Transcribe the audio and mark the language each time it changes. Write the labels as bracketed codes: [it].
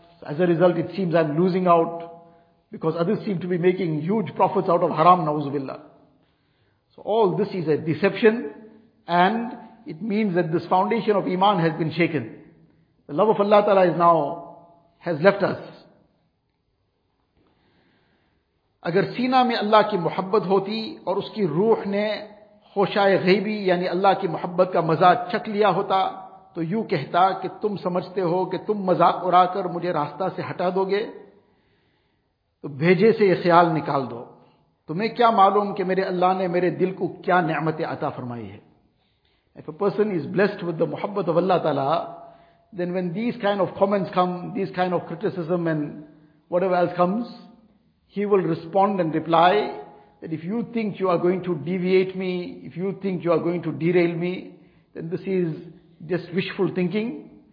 [en] So as a result, it seems I'm losing out, because others seem to be making huge profits out of haram, na'uzu billah. So all this is a deception, and it means that this foundation of iman has been shaken. The love of Allah Ta'ala is now, has left us. [ur] اگر سینہ میں اللہ کی محبت ہوتی اور اس کی روح نے خوشائے غیبی یعنی اللہ کی محبت کا مزاق چکھ لیا ہوتا تو یوں کہتا کہ تم سمجھتے ہو کہ تم مزاق اڑا کر مجھے راستہ سے ہٹا دو گے, تو بھیجے سے یہ خیال نکال دو, تمہیں کیا معلوم کہ میرے اللہ نے میرے دل کو کیا نعمتیں عطا فرمائی ہے. [en] If a person is blessed with the محبت of Allah تعالیٰ, then when these kind of comments come, these kind of criticism and whatever else comes, he will respond and reply that if you think you are going to deviate me, if you think you are going to derail me, then this is just wishful thinking.